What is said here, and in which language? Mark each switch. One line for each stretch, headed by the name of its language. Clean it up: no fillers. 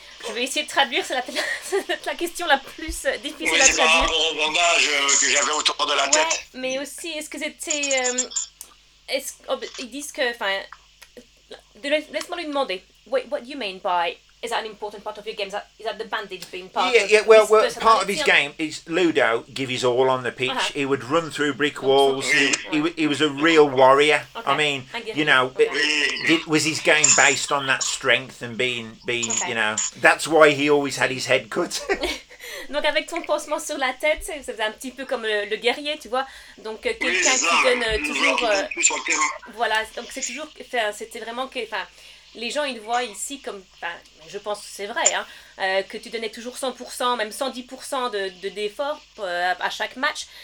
French: Je vais essayer de traduire, c'est la question la plus difficile oui, à traduire. Oui, c'est par rapport au bandage que j'avais autour de la ouais, tête. Mais aussi, est-ce que c'était... ils disent que, enfin, laisse-moi lui demander.
English: What do you mean by is that an important part of your game? Is that the bandage being part? Well, part of his game is Ludo give his all on the pitch. Uh-huh. He would run through brick walls. He was a real warrior. Okay. I mean, you know, was his game based on that strength and being, okay. you know, that's why he always had his head cut.
French: Donc avec ton pansement sur la tête, ça faisait un petit peu comme le guerrier, tu vois. Donc quelqu'un oui, qui donne toujours... voilà, donc c'est toujours... Enfin, c'était vraiment que... Enfin, les gens, ils voient ici comme... Enfin, je pense que c'est vrai, hein, que tu donnais toujours 100%, même 110% d'effort à chaque match.